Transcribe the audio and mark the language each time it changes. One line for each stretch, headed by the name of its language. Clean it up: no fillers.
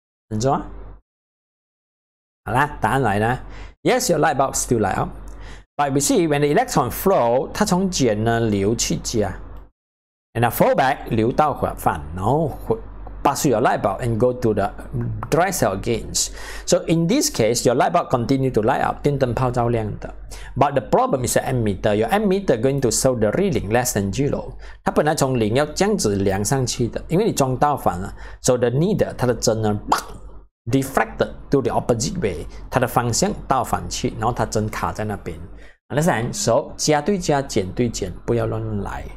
Chinese: 能做吗好啦答案来啦
English: Yes, your light bulb still light up But we see when the electron flow
Chinese: 它从减呢流去加
English: And I flow back
Chinese: 流到反然后
English: pass your light bulb and go to the dry cell again. So in this case, your light bulb continue to light up,
Chinese: 电灯泡照亮的。
English: But the problem is the ammeter. Your ammeter going to show the reading less than zero.
Chinese: 它本来从零要这样子量上去的，因为你装到反了。
English: So the needle,
Chinese: 它的针呢，砰
English: ，deflected to the opposite way.
Chinese: 它的方向倒反去，然后它针卡在那边。
English: Understand?
Chinese: So 加对加，减对减，不要乱来。